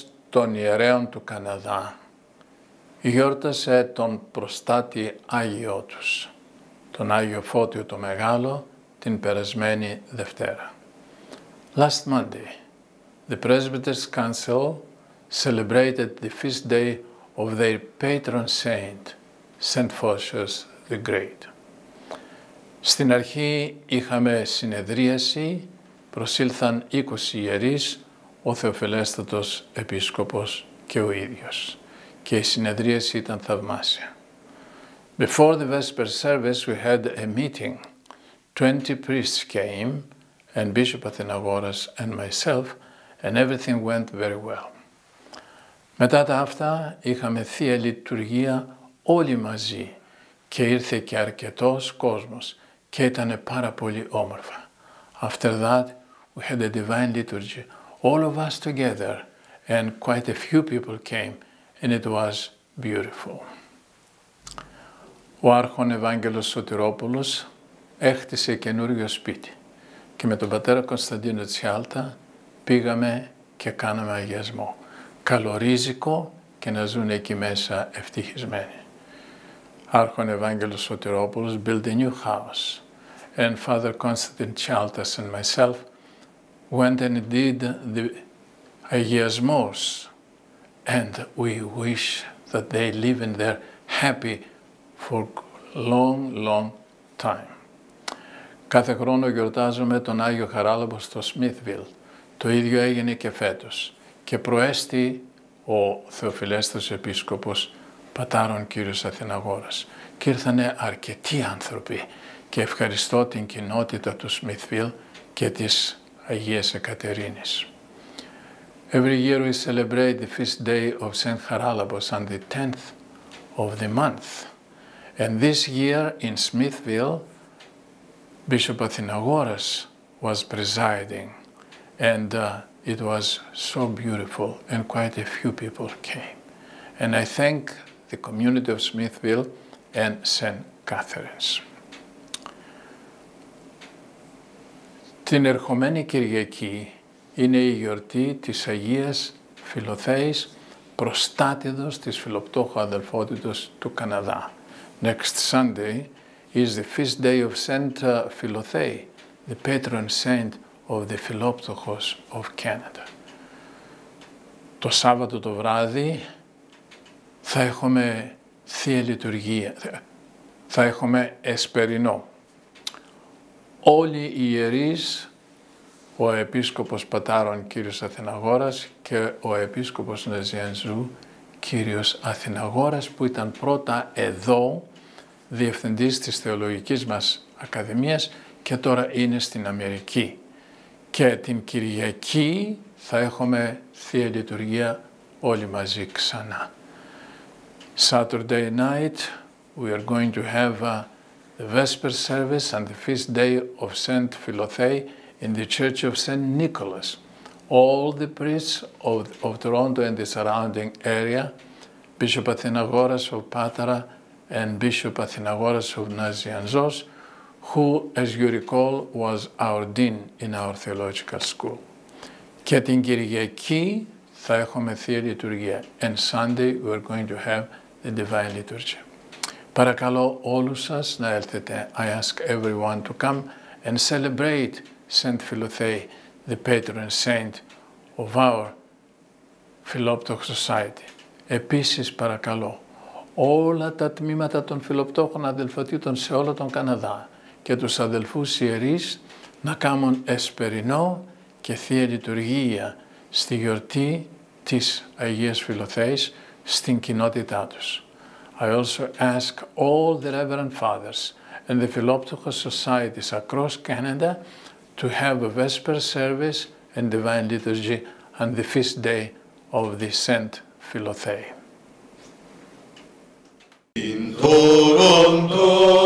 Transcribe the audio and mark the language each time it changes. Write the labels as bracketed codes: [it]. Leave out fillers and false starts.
[el] Των ιερέων του Καναδά γιόρτασε τον προστάτη Άγιό τους, τον Άγιο Φώτιο το Μεγάλο, την περασμένη Δευτέρα. [en] Last Monday, the Presbyters' Council celebrated the feast day of their patron saint, Saint Phocius the Great. [el] Στην αρχή είχαμε συνεδρίαση, προσήλθαν 20 ιερείς, ο Θεοφιλέστατος Επίσκοπος και ο ίδιος. Και η συνεδρίαση ήταν θαυμάσια. [en] Before the Vesper service, we had a meeting. 20 priests came, and Bishop Athenagoras and myself, and everything went very well. [el] Μετά τα αυτά, είχαμε θεία λειτουργία όλοι μαζί και ήρθε και αρκετός κόσμος και ήταν πάρα πολύ όμορφα. [en] After that, we had a divine liturgy, all of us together, and quite a few people came, and it was beautiful. [el] Ο Άρχον Ευάγγελος Σωτηρόπουλος έχτισε καινούριο σπίτι και με τον πατέρα Κωνσταντίνο Τσιάλτα πήγαμε και κάναμε αγιασμό. Καλό ρίζικο και να ζουν εκεί μέσα ευτυχισμένοι. [en] Άρχον Ευάγγελος Σωτηρόπουλος built a new house, and Father Constantine Tsialtas and myself went and did the agiasmos, and we wish that they live in there happy for long, long time. [el] Κάθε χρόνο γιορτάζουμε τον Άγιο Χαράλαμπο στο Smithville. Το ίδιο έγινε και φέτος. Και προέστη ο Θεοφιλέστος Επίσκοπος Πατάρων κύριος Αθηναγόρας. Και ήρθανε αρκετοί άνθρωποι και ευχαριστώ την κοινότητα του Smithville και της Αγίας Εκατερίνης. [en] Every year we celebrate the feast day of Saint Haralabos on the 10th of the month. And this year in Smithville, Bishop Athenagoras was presiding, and it was so beautiful, and quite a few people came. And I thank the community of Smithville and Saint Catharines. [el] Την ερχομένη Κυριακή είναι η γιορτή της Αγίας Φιλοθέης Προστάτηδος της Φιλοπτώχου Αδελφότητος του Καναδά. [en] Next Sunday is the feast day of Saint Philothée, the patron saint of the Φιλόπτωχος of Canada. [el] Το Σάββατο το βράδυ θα έχουμε Θεία Λειτουργία, θα έχουμε Εσπερινό. Όλοι οι ιερείς, ο Επίσκοπος Πατάρων κύριος Αθηναγόρας και ο Επίσκοπος Νεζιανζού κύριος Αθηναγόρας, που ήταν πρώτα εδώ διευθυντής της Θεολογικής μας Ακαδημίας και τώρα είναι στην Αμερική. Και την Κυριακή θα έχουμε Θεία Λειτουργία όλοι μαζί ξανά. [en] Saturday night we are going to have the Vesper service on the feast day of Saint Philothei in the Church of Saint Nicholas. All the priests of Toronto and the surrounding area, Bishop Athenagoras of Patara and Bishop Athenagoras of Nazianzos, who, as you recall, was our dean in our theological school. [el] Και την Κυριακή θα έχουμε Θεία Λειτουργία. [en] And Sunday we are going to have the Divine Liturgy. [el] Παρακαλώ όλους σας να έλθετε. [en] I ask everyone to come and celebrate Saint Philothei, the patron saint of our Philoptoch Society. [el] Επίσης παρακαλώ όλα τα τμήματα των Φιλοπτώχων αδελφοτήτων σε όλο τον Καναδά και τους αδελφούς ιερείς να κάνουν Εσπερινό και Θεία Λειτουργία στη γιορτή της Αγίας Φιλοθέης στην κοινότητά τους. [en] I also ask all the Reverend Fathers and the Philoptoch Societies across Canada to have a Vesper service and Divine Liturgy on the feast day of the Saint Philothei. In Toronto,